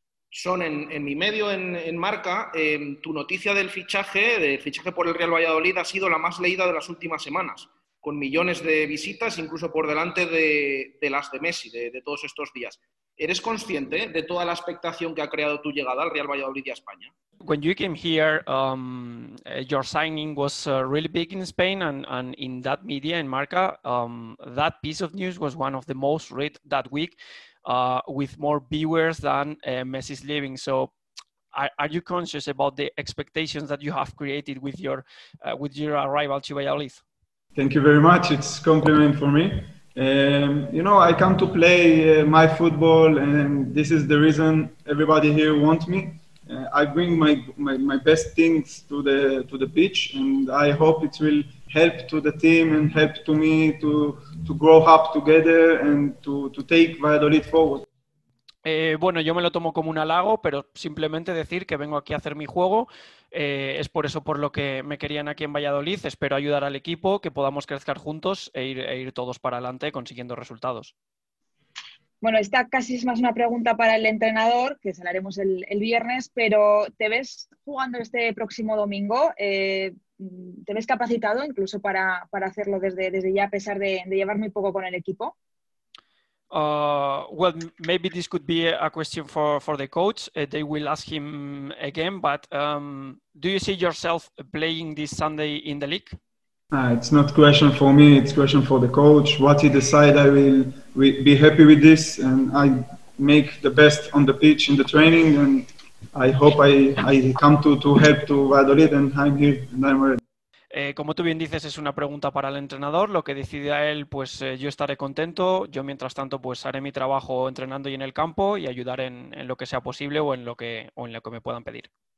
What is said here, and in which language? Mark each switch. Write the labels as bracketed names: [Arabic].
[Spanish] Son en mi medio, en Marca, tu noticia del fichaje por el Real Valladolid ha sido la más leída de las últimas semanas, con millones de visitas, incluso por delante de las de Messi, de todos estos días. ¿Eres consciente de toda la expectación que ha creado tu llegada al Real Valladolid y a España? [English] When you came here, your signing was really big in Spain and in that media, in Marca. That piece of news was one of the most read that week, with more viewers than Messi's leaving. So are you conscious about the expectations that you have created with your arrival to Valladolid? Thank you very much. It's a compliment for me. You know, I come to play my football, and this is the reason everybody here wants me. I bring my best things to the pitch, and I hope it will help to the team and help to me to grow up together and to take Valladolid forward. [Spanish] Bueno, yo me lo tomo como un halago, pero simplemente decir que vengo aquí a hacer mi juego. Es por eso por lo que me querían aquí en Valladolid. Espero ayudar al equipo, que podamos crecer juntos e ir todos para adelante consiguiendo resultados. Bueno, esta casi es más una pregunta para el entrenador, que se la haremos el viernes, pero ¿te ves jugando este próximo domingo? ¿Te ves capacitado incluso para hacerlo desde ya, a pesar de llevar muy poco con el equipo? [English] Well, maybe this could be a question for the coach. They will ask him again, but do you see yourself playing this Sunday in the league? It's not a question for me, it's a question for the coach. What he decides, I will be happy with this, and I make the best on the pitch in the training, and I hope I come to help to Valladolid, and I'm here and I'm ready. [Spanish] Como tú bien dices, es una pregunta para el entrenador. Lo que decide a él, pues yo estaré contento. Yo, mientras tanto, pues haré mi trabajo entrenando y en el campo y ayudar en lo que sea posible o en lo que me puedan pedir.